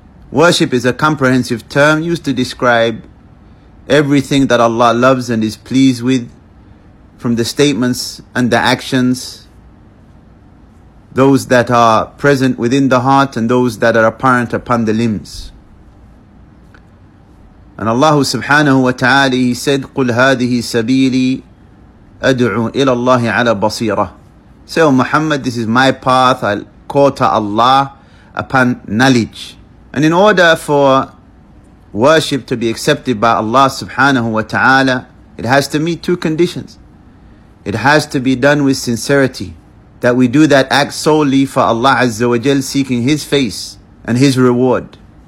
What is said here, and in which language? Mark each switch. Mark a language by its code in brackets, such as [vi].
[en] Worship is a comprehensive term used to describe everything that Allah loves and is pleased with, from the statements and the actions, those that are present within the heart and those that are apparent upon the limbs. And Allah subhanahu wa ta'ala, He said, [ar] قُلْ هَذِهِ سَبِيلِي أَدْعُوا إِلَى اللَّهِ عَلَى بَصِيرَةٍ. [en] Say, O Muhammad, this is my path, I'll call to Allah upon knowledge. And in order for worship to be accepted by Allah subhanahu wa ta'ala, it has to meet two conditions. It has to be done with sincerity, that we do that act solely for Allah azza wa jal, seeking His face and His reward.